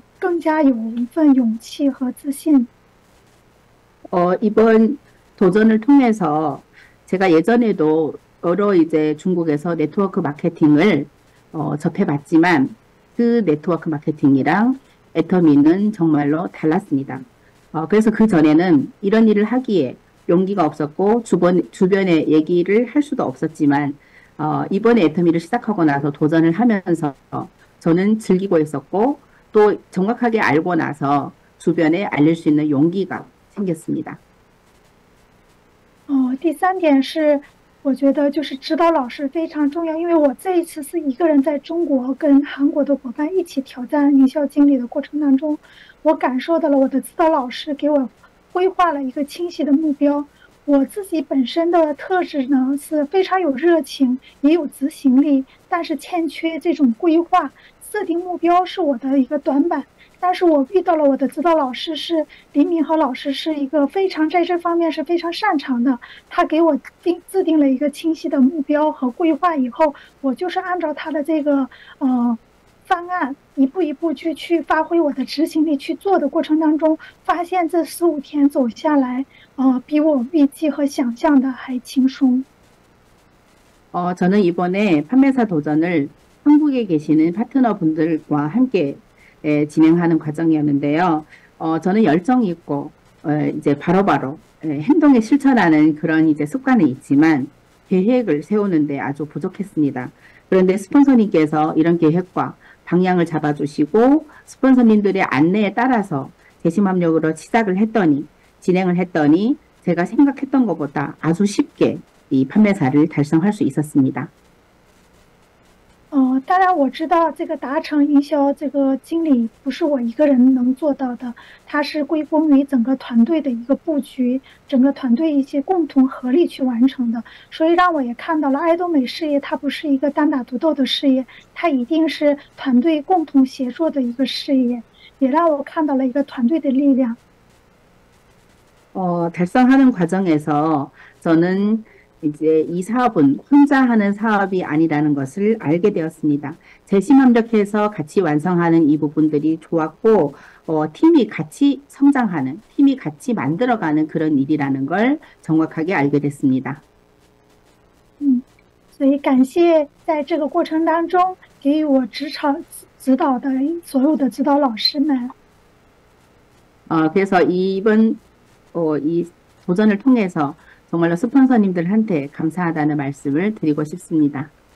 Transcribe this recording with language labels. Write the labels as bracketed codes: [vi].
[zh] 包括就是跟身边人的去分享爱多美的过程当中，之前一直没有勇气去决定做这份事业，但是我在跟着团队一起去挑战的过程当中，跟身边人分享爱多美的过程当中，我发现我是很喜悦的，而且我发现身边的人也是愿意支持的，所以让我有了一份更加有一份勇气和自信。 [ko] 이번 도전을 통해서 제가 예전에도 여러 이제 중국에서 네트워크 마케팅을 접해봤지만 그 네트워크 마케팅이랑 애터미는 정말로 달랐습니다. 그래서 그 전에는 이런 일을 하기에 용기가 없었고 주변에 얘기를 할 수도 없었지만 이번에 애터미를 시작하고 나서 도전을 하면서 저는 즐기고 있었고 또 정확하게 알고 나서 주변에 알릴 수 있는 용기가 생겼습니다. [zh] 第三点是，我觉得就是指导老师非常重要，因为我这一次是一个人在中国跟韩国的伙伴一起挑战营销经理的过程当中，我感受到了我的指导老师给我规划了一个清晰的目标。我自己本身的特质呢是非常有热情，也有执行力，但是欠缺这种规划，设定目标是我的一个短板。但是我遇到了我的指导老师是李敏和老师，是一个非常在这方面是非常擅长的。他给我制定了一个清晰的目标和规划以后，我就是按照他的这个方案，一步一步去发挥我的执行力去做的过程当中，发现这15天走下来，比我预计和想象的还轻松。 [ko] 저는 이번에 판매사 도전을 한국에 계시는 파트너 분들과 함께 진행하는 과정이었는데요. 저는 열정이 있고, 이제 바로바로 행동에 실천하는 그런 이제 습관은 있지만 계획을 세우는데 아주 부족했습니다. 그런데 스폰서님께서 이런 계획과 방향을 잡아주시고 스폰서님들의 안내에 따라서 재심 합력으로 시작을 했더니, 진행을 했더니 제가 생각했던 것보다 아주 쉽게 이 판매사를 달성할 수 있었습니다. [zh] 当然我知道这个达成营销这个经理不是我一个人能做到的，它是归功于整个团队的一个布局，整个团队一些共同合力去完成的。所以让我也看到了爱多美事业它不是一个单打独斗的事业，它一定是团队共同协作的一个事业，也让我看到了一个团队的力量。 [ko] 달성하는 과정에서 저는 이제 이 사업은 혼자 하는 사업이 아니라는 것을 알게 되었습니다. 재심 합력해서 같이 완성하는 이 부분들이 좋았고, 팀이 같이 성장하는, 팀이 같이 만들어가는 그런 일이라는 걸 정확하게 알게 됐습니다. [zh] 所以感谢在这个过程当中给予我指导的所有的指导老师们。 [ko] 그래서 이번 이 도전을 통해서 정말로 스폰서님들한테 감사하다는 말씀을 드리고 싶습니다.